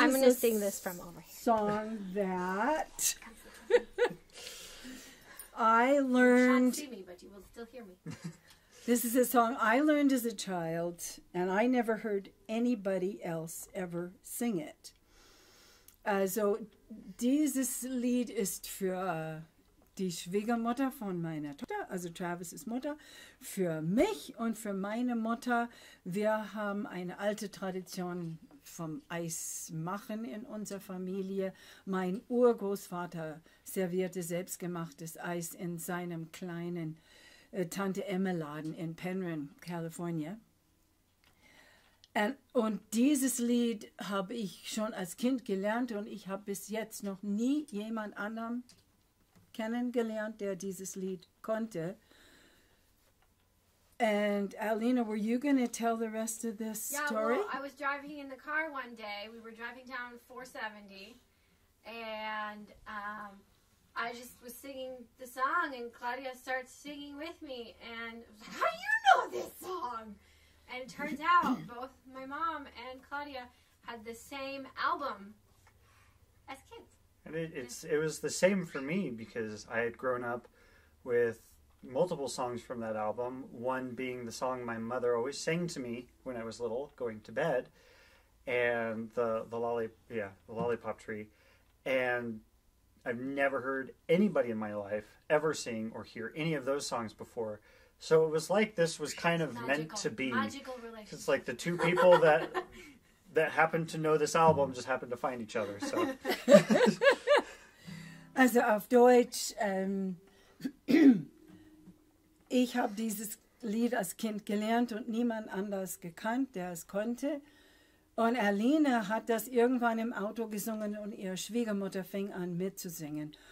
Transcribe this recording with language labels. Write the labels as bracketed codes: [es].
[en] I'm going to sing this from over here. Song that I learned. You can't see me, but you will still hear me. This is a song I learned as a child, and I never heard anybody else ever sing it. [de] So, dieses Lied ist für die Schwiegermutter von meiner Tochter, also Travis's Mutter, für mich und für meine Mutter. Wir haben eine alte Tradition vom Eis machen in unserer Familie. Mein Urgroßvater servierte selbstgemachtes Eis in seinem kleinen Tante Emma Laden in Penryn, California. Und dieses Lied habe ich schon als Kind gelernt und ich habe bis jetzt noch nie jemand anderen kennengelernt, der dieses Lied konnte. [en] And Alina, were you going to tell the rest of this story? Yeah, well, I was driving in the car one day. We were driving down 470 and I just was singing the song and Claudia starts singing with me and I was like, how do you know this song? And it turns out both my mom and Claudia had the same album as kids. And it was the same for me because I had grown up with multiple songs from that album, one being the song my mother always sang to me when I was little, going to bed, and the lollipop tree. And I've never heard anybody in my life ever sing or hear any of those songs before. So it was like this was kind of magical, meant to be. Magical relationship. It's like the two people that that happened to know this album just happened to find each other. So, [de] also auf Deutsch, ich habe dieses Lied als Kind gelernt und niemand anders gekannt, der es konnte. Und Aline hat das irgendwann im Auto gesungen und ihre Schwiegermutter fing an mitzusingen.